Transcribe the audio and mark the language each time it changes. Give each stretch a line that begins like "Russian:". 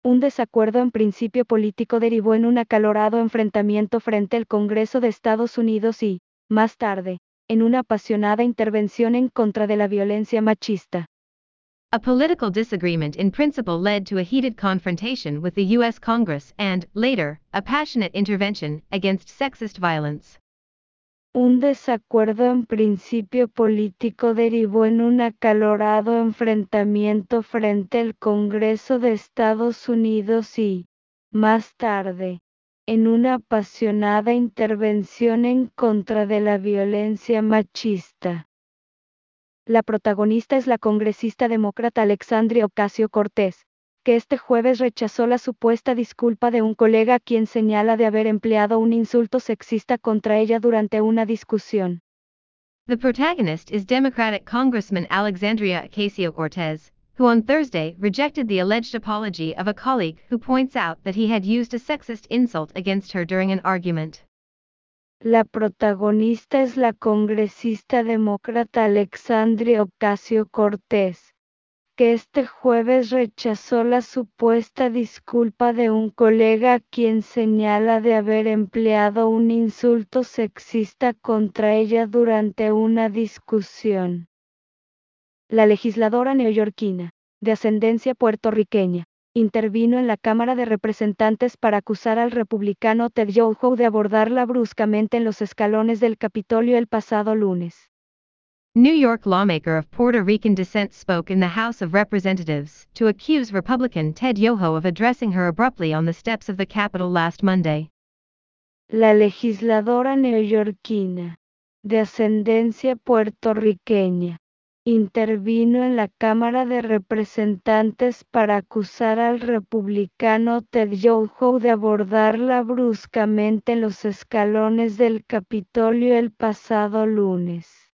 Spanish: Un desacuerdo en principio político derivó en un acalorado enfrentamiento frente al Congreso de Estados Unidos y, más tarde, en una apasionada intervención en contra de la violencia machista.
English: A political disagreement in principle led to a heated confrontation with the U.S. Congress and, later, a passionate intervention against sexist violence.
Spanish: Un desacuerdo en principio político derivó en un acalorado enfrentamiento frente al Congreso de Estados Unidos y, más tarde, en una apasionada intervención en contra de la violencia machista. La protagonista es la congresista demócrata Alexandria Ocasio-Cortez, que este jueves rechazó la supuesta disculpa de un colega quien señala de haber empleado un insulto sexista contra ella durante una discusión.
English: The protagonist is Democratic Congressman Alexandria Ocasio-Cortez, who on Thursday rejected the alleged apology of a colleague who points out that he had used a sexist insult against her during an argument.
Spanish: La protagonista es la congresista demócrata Alexandria Ocasio-Cortez, que este jueves rechazó la supuesta disculpa de un colega quien señala de haber empleado un insulto sexista contra ella durante una discusión. La legisladora neoyorquina, de ascendencia puertorriqueña, intervino en la Cámara de Representantes para acusar al republicano Ted Yoho de abordarla bruscamente en los escalones del Capitolio el pasado lunes.
English: New York lawmaker of Puerto Rican descent spoke in the House of Representatives to accuse Republican Ted Yoho of addressing her abruptly on the steps of the Capitol last Monday.
Spanish: La legisladora neoyorquina, de ascendencia puertorriqueña, intervino en la Cámara de Representantes para acusar al republicano Ted Yoho de abordarla bruscamente en los escalones del Capitolio el pasado lunes.